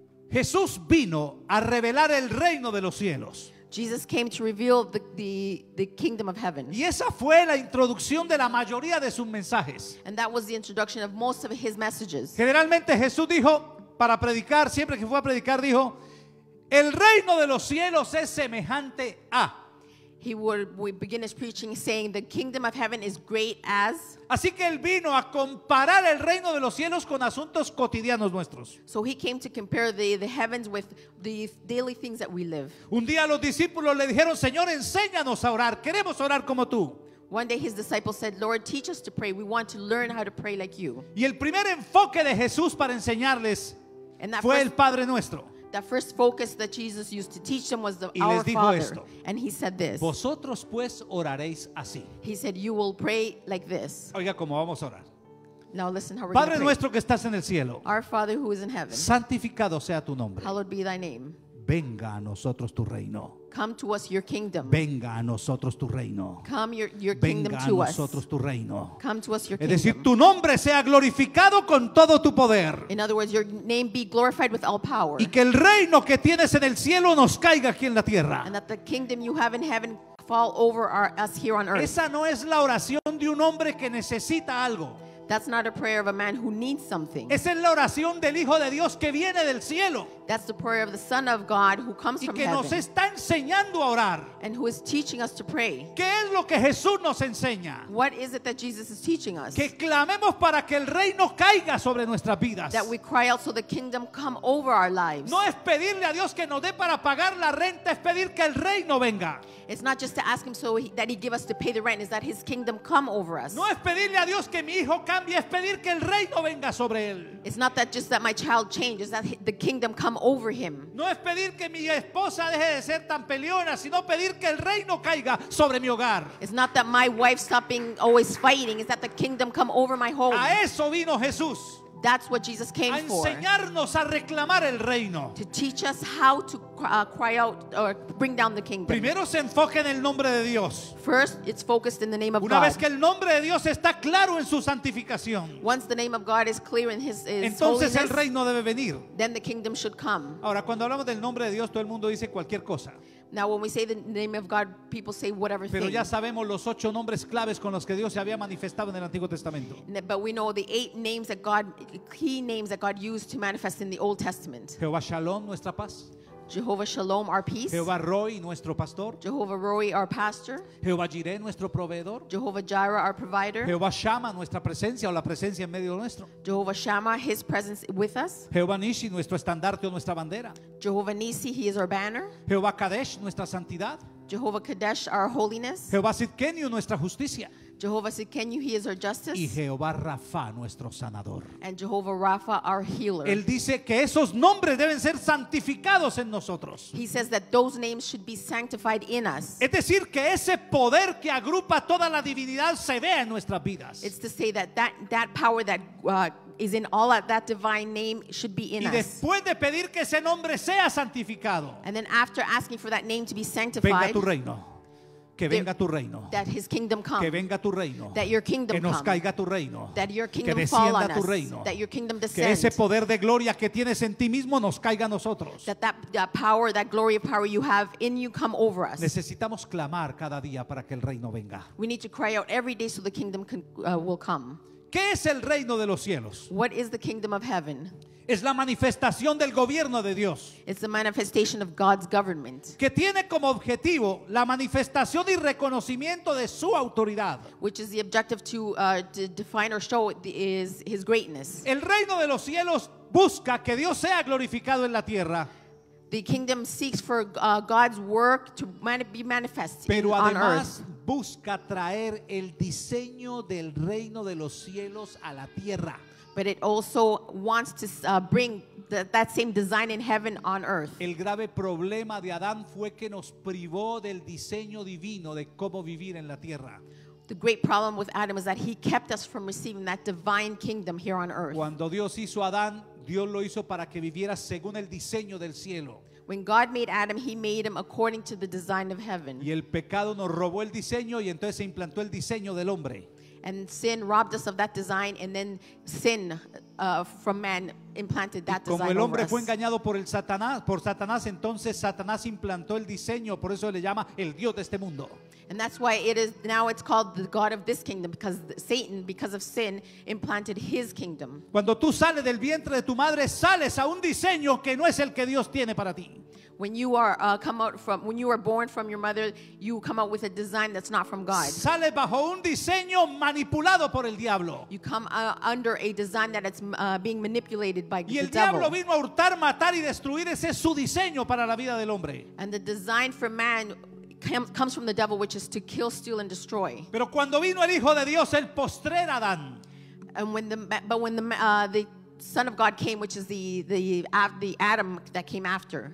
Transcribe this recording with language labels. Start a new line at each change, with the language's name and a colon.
Spanish: Jesús vino a revelar el reino de los cielos.
English: Jesus came to reveal the kingdom of heaven.
Spanish: Y esa fue la introducción de la mayoría de sus mensajes.
English: And that was the introduction of most of his messages.
Spanish: Generalmente Jesús dijo para predicar, siempre que fue a predicar dijo, el reino de los cielos es semejante a.
English: He would begin his preaching saying the kingdom of heaven is great as.
Spanish: Así que él vino a comparar el reino de los cielos con asuntos cotidianos nuestros.
English: So he came to compare the heavens with the daily things that we live.
Spanish: Un día los discípulos le dijeron, Señor, enséñanos a orar. Queremos orar como tú.
English: One day his disciples said, Lord, teach us to pray. We want to learn how to pray like you.
Spanish: Y el primer enfoque de Jesús para enseñarles fue el Padre Nuestro.
English: That first focus that Jesus used to teach them was the
Spanish: y les
English: Our
Spanish: dijo
English: Father.
Spanish: Esto,
English: and he said this.
Spanish: Vosotros pues oraréis así.
English: He said, you will pray like this.
Spanish: Oiga, ¿cómo vamos a orar?
English: Now listen how we're
Spanish: Padre nuestro que estás en el cielo.
English: Our Father who is in heaven.
Spanish: Santificado sea tu nombre.
English: Hallowed be thy name.
Spanish: Venga a nosotros tu reino.
English: Come to us your kingdom.
Spanish: Venga a nosotros tu reino.
English: Come your kingdom
Spanish: Venga
English: to us.
Spanish: Venga a nosotros tu reino.
English: Come to us your
Spanish: kingdom. Es decir, tu nombre sea glorificado con todo tu poder.
English: In other words, your name be glorified with all power.
Spanish: Y que el reino que tienes en el cielo nos caiga aquí en la tierra.
English: And that the kingdom you have in heaven fall over us here on earth.
Spanish: Esa no es la oración de un hombre que necesita algo.
English: That's not a prayer of a man who needs something.
Spanish: Esa es la oración del Hijo de Dios que viene del cielo.
English: That's the prayer of the Son of God who comes from heaven.
Spanish: Y que nos está enseñando a orar.
English: And who is teaching us to pray.
Spanish: ¿Qué es lo que Jesús nos enseña?
English: What is it that Jesus is teaching us?
Spanish: Que clamemos para que el reino caiga sobre nuestras vidas.
English: That we cry out so the kingdom come over our lives.
Spanish: No es pedirle a Dios que nos dé para pagar la renta, es pedir que el reino venga.
English: It's not just to ask him so that he give us to pay the rent, is that his kingdom come over us.
Spanish: No es pedirle a Dios que mi hijo cambie, es pedir que el reino venga sobre él.
English: It's not that just that my child change, is that the kingdom come over him.
Spanish: No es pedir que mi esposa deje de ser tan peleona, sino pedir que el reino caiga sobre mi hogar.
English: It's not that my wife stop being always fighting, is that the kingdom come over my home.
Spanish: A eso vino Jesús.
English: That's what Jesus came
Spanish: for. A enseñarnos
English: for,
Spanish: a reclamar el reino.
English: To teach us how to cry out or bring down the kingdom.
Spanish: Primero se enfoca en el nombre de Dios.
English: First, it's focused in the name of
Spanish: Una
English: God.
Spanish: Una vez que el nombre de Dios está claro en su santificación.
English: Once the name of God is clear in his holiness.
Spanish: Entonces el reino debe venir.
English: Then the kingdom should come.
Spanish: Ahora cuando hablamos del nombre de Dios, todo el mundo dice cualquier cosa.
English: Now when we say the name of God, people say whatever thing.
Spanish: Pero ya sabemos los ocho nombres claves con los que Dios se había manifestado en el Antiguo Testamento.
English: But we know the eight names that God, key names that God used to manifest in the Old Testament.
Spanish: Jehová Shalom, nuestra paz.
English: Jehovah Shalom, our peace.
Spanish: Jehová Roy, nuestro pastor.
English: Jehovah Roy, our pastor.
Spanish: Jehová Jireh, nuestro proveedor.
English: Jehovah Jireh, our provider.
Spanish: Jehová Shammah, nuestra presencia o la presencia en medio nuestro.
English: Jehovah Shammah, his presence with us.
Spanish: Jehová Nissi, nuestro estandarte o nuestra bandera.
English: Jehovah Nissi, he is our banner.
Spanish: Jehová Kadesh, nuestra santidad.
English: Jehovah Kadesh, our holiness.
Spanish: Jehová Tsidkenu, nuestra justicia.
English: Jehovah Tsidkenu, he is our justice.
Spanish: Y Jehová Rafa, nuestro sanador.
English: And Jehovah Rafa, our healer.
Spanish: Él dice que esos nombres deben ser santificados en nosotros.
English: He says that those names should be sanctified in us.
Spanish: Es decir, que ese poder que agrupa toda la divinidad se vea en nuestras vidas.
English: It's to say that that power that is in all that divine name should be in
Spanish: us. Y después de pedir que ese nombre sea santificado.
English: And then after asking for that name to be sanctified.
Spanish: Venga tu reino. Que venga tu reino.
English: That his kingdom come.
Spanish: Que venga tu reino.
English: That your kingdom
Spanish: que nos
English: come.
Spanish: Caiga tu reino.
English: That your kingdom
Spanish: que descienda
English: fall on
Spanish: tu
English: us.
Spanish: Reino.
English: That your kingdom descend.
Spanish: Que ese poder de gloria que tienes en ti mismo nos caiga a nosotros.
English: That power, that glory of power you have in you come over us.
Spanish: Necesitamos clamar cada día para que el reino venga.
English: We need to cry out every day so the kingdom will come.
Spanish: ¿Qué es el reino de los cielos?
English: What is the kingdom of heaven?
Spanish: Es la manifestación del gobierno de Dios.
English: It's the manifestation of God's government.
Spanish: Que tiene como objetivo la manifestación y reconocimiento de su autoridad.
English: Which is the objective to define or show is his greatness.
Spanish: El reino de los cielos busca que Dios sea glorificado en la tierra.
English: The kingdom seeks for God's work to be manifest on earth.
Spanish: Pero además busca traer el diseño del reino de los cielos a la tierra.
English: But it also wants to bring that same design in heaven on earth.
Spanish: El grave problema de Adán fue que nos privó del diseño divino de cómo vivir en la tierra.
English: The great problem with Adam is that he kept us from receiving that divine kingdom here on earth.
Spanish: Cuando Dios hizo a Adán, Dios lo hizo para que viviera según el diseño del cielo.
English: When God made Adam, he made him according to the design of heaven.
Spanish: Y el pecado nos robó el diseño y entonces se implantó el diseño del hombre.
English: And sin robbed us of that design, and then sin from man implanted that design.
Spanish: Como el hombre fue engañado por Satanás, entonces Satanás implantó el diseño, por eso le llama el Dios de este mundo.
English: And that's why it's called the God of this kingdom, because Satan, because of sin, implanted his kingdom.
Spanish: Cuando tú sales del vientre de tu madre, sales a un diseño que no es el que Dios tiene para ti.
English: When you are born from your mother, you come out with a design that's not from God.
Spanish: Sale bajo un diseño manipulado por el diablo.
English: You come under a design that it's being manipulated by the devil.
Spanish: Y el diablo vino a hurtar, matar y destruir. Ese es su diseño para la vida del hombre.
English: And the design for man comes from the devil, which is to kill, steal, and destroy.
Spanish: Pero cuando vino el Hijo de Dios, el postrer Adán.
English: But when the Son of God came, which is the Adam that came after.